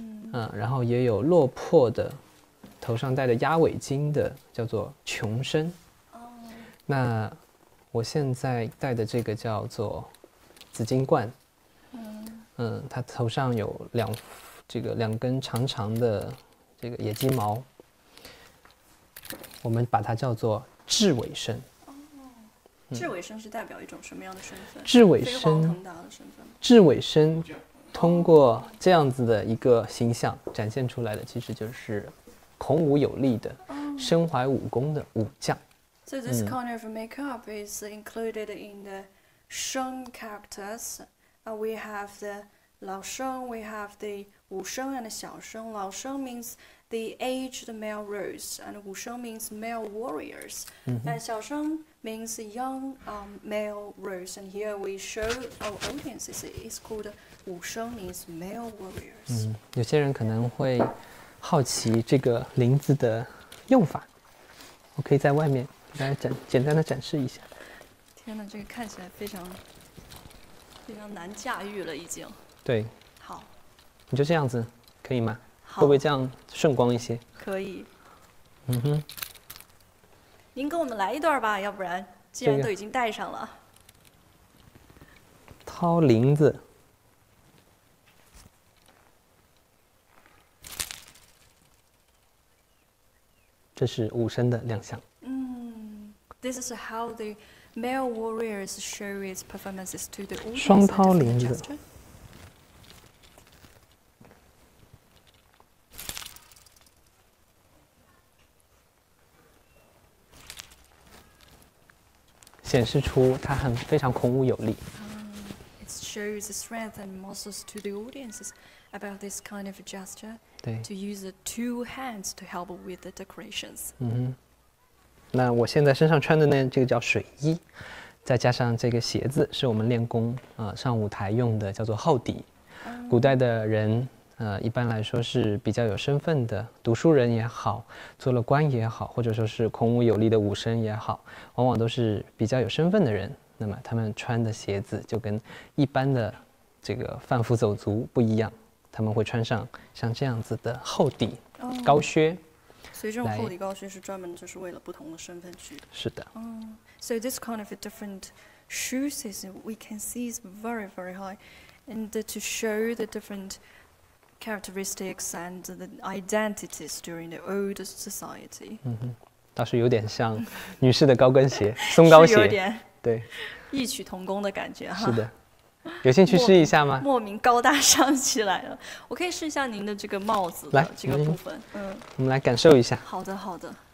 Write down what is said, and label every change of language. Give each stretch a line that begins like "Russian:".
Chinese: 然后也有落魄的头上戴着鸭尾巾的叫做穷绅那我现在戴的这个叫做紫金冠它头上有两根长长的这个野鸡毛我们把它叫做雉尾身雉尾身是代表一种什么样的身份雉尾身雉尾身通过这样子的一个形象展现出来的其实就是孔武有力的身怀武功的武将
English: So this kind of makeup is included in the Sheng characters. We have the Lao Sheng, we have the Wu Sheng and the Xiao Sheng. Lao Sheng means the aged male rose, and Wu Sheng means male warriors. Mm-hmm. And Xiao Sheng means young male rose. And here we show our audience, it's called Wu Sheng means male warriors.
Chinese: 有些人可能会好奇这个林子的用法。我可以在外面。来简单的展示一下天哪这个看起来非常难驾驭了已经对好你就这样子可以吗好会不会这样顺光一些可以嗯哼您跟我们来一段吧要不然既然都已经戴上了、这个、掏铃子这是武生的亮相。
English: This is how the male warriors show his performances to the audience.
Chinese: 双涛林子。显示出他很非常孔武有力。
English: It shows the strength and muscles to the audiences about this kind of gesture.
Chinese: 对。
English: To use the two hands to help with the decorations. 嗯哼。
Chinese: 那我现在身上穿的呢，这个叫水衣，再加上这个鞋子，是我们练功上舞台用的，叫做后底。古代的人一般来说是比较有身份的，读书人也好，做了官也好，或者说是孔武有力的武生也好，往往都是比较有身份的人。那么他们穿的鞋子就跟一般的这个贩夫走卒不一样，他们会穿上像这样子的厚底高靴。所以这种厚底高靴是专门就是为了不同的身份去的。是的。
English: So this kind of a different shoes is we can see is very very high, and to show the different. Characteristics and the identities during the old society.
Chinese: 嗯哼，倒是有点像女士的高跟鞋，松高鞋。是有点。对。异曲同工的感觉哈。是的。有兴趣试一下吗？莫名高大上起来了。我可以试一下您的这个帽子的这个部分。嗯。我们来感受一下。好的，好的。